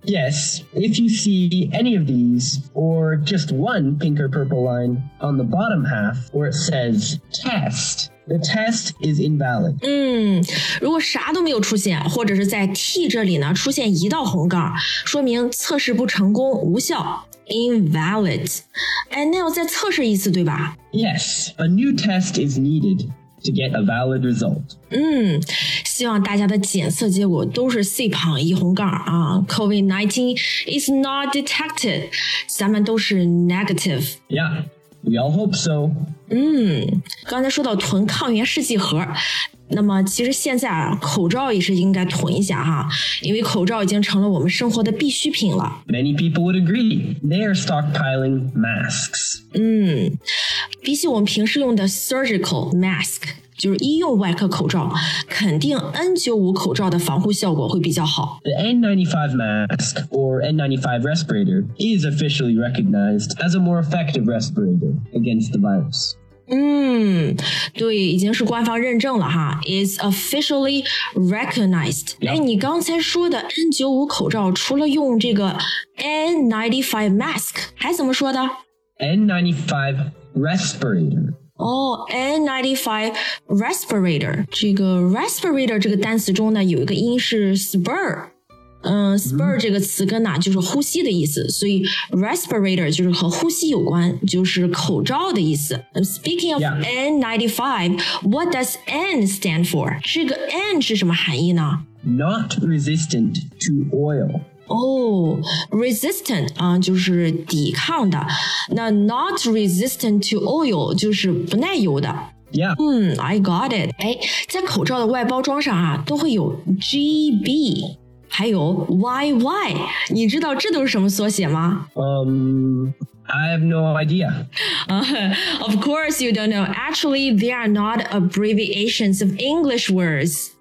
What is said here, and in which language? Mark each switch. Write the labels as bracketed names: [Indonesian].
[English] ？Yes. If you see any of these, or just one pink or purple line on the bottom half where it says test. The test is invalid. [Chinese] 嗯，如果啥都没有出现，或者是在 T 这里呢出现一道红杠，说明测试不成功，无效 ，invalid. 哎，那要再测试一次，对吧 [English] ？Yes, a new test is needed to get a valid result. [Chinese] 嗯，希望大家的检测结果都是 C 旁一红杠啊 ， [English] COVID-19 is not detected. [Chinese] 咱们都是 negative. [English] Yeah. We all hope so. [Chinese] 嗯，刚才说到囤抗原试剂盒，那么其实现在啊，口罩也是应该囤一下哈，因为口罩已经成了我们生活的必需品了。 [English] Many people would agree. They are stockpiling masks. [Chinese] 嗯，比起我们平时用的 surgical mask， 就是医用外科口罩，肯定 N95 口罩的防护效果会比较好。 [English] The N95 mask or N95 respirator is officially recognized as a more effective respirator against the virus. [Chinese] 嗯，对，已经是官方认证了哈 ， [English] is officially recognized. 哎、 yep. ， [Chinese] 你刚才说的 N95 口罩，除了用这个 N95 mask， 还怎么说的 [English] ？N95 respirator. Oh, N95 respirator. [Chinese] 这个 respirator 这个单词中呢，有一个音是 spur。 spur 这个词根呢、啊、就是呼吸的意思所以 respirator 就是和呼吸有关就是口罩的意思 [English] Speaking of、 yeah. N95 What does N stand for? [Chinese] 这个 N 是什么含义呢 [English] Not resistant to oil Oh resistant、 [Chinese] 就是抵抗的那 [English] not resistant to oil [Chinese] 就是不耐油的 [English] Yeah、 I got it [Chinese] 哎，在口罩的外包装上啊，都会有 GB还有 YY, 你知道这都是什么缩写吗 [English] I have no idea.、 Of course you don't know. Actually, they are not abbreviations of English words.